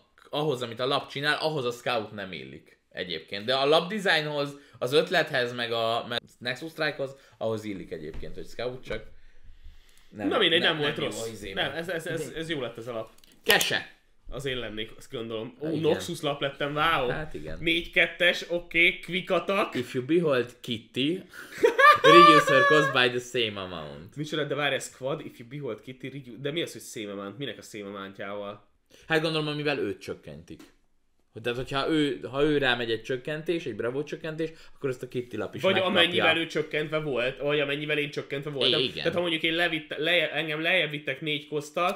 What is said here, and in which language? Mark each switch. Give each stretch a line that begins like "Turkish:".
Hungarian: Ahhoz, amit a lap csinál, ahhoz a scout nem illik. Egyébként. De a lap dizájnhoz, az ötlethez, meg a Nexus Strike-hoz, ahhoz illik egyébként, hogy scout csak. Nem volt rossz. Ez jó lett ez a lap. Kese! Az én lennék, azt gondolom. Ó, igen. Noxus lap lettem, wow. Hát igen. 4-2-es, oké, okay, quick attack.
English: If you behold Kitty, reduce her cost by the same amount.
Hungarian: Micsoda, de várj, ez quad,
English: if you behold Kitty, reduce...
Hungarian: De mi az, hogy same amount? Minek a same amount-jával? Hát gondolom, amivel őt csökkentik. Tehát, ha ő rámegy egy csökkentés, egy bravo csökkentés, akkor ezt a Kitty lap is megkapja. Vagy amennyivel ő csökkentve volt, vagy amennyivel én csökkentve voltam. Igen. Tehát, ha mondjuk én engem lejjebb vittek 4 kosztat,